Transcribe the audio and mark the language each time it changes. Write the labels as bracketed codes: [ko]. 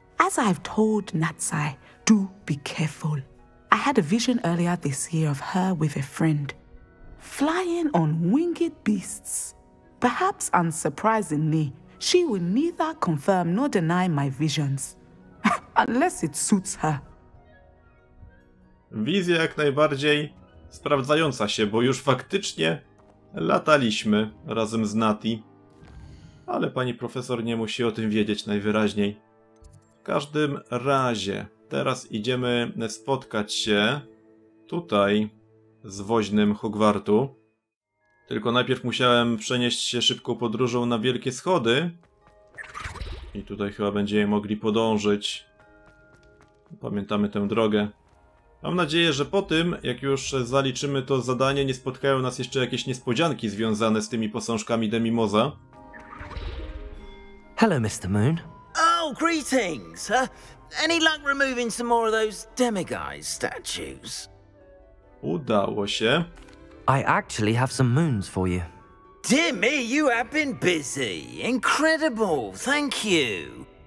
[en] As I've told Natsai, do be careful. I had a vision earlier this year of her with a friend, flying on winged beasts. Perhaps unsurprisingly, she will neither confirm nor deny my visions, unless it suits her. [pl] Wizja jak najbardziej sprawdzająca się, bo już faktycznie lataliśmy razem z Nati, ale pani profesor nie musi o tym wiedzieć najwyraźniej. W każdym razie, teraz idziemy spotkać się tutaj z woźnym Hogwartu. Tylko najpierw musiałem przenieść się szybką podróżą na wielkie schody. I tutaj chyba będziemy mogli podążyć. Pamiętamy tę drogę. Mam nadzieję, że po tym, jak już zaliczymy to zadanie, nie spotkają nas jeszcze jakieś niespodzianki związane z tymi posążkami Demimoza. [en] Hello, Mr. Moon. Oh, greetings. Any luck removing some more of those demiguise statues? [pl] Udało się. [en] I actually have some moons for you. Dear me, you have been busy. Incredible, thank you.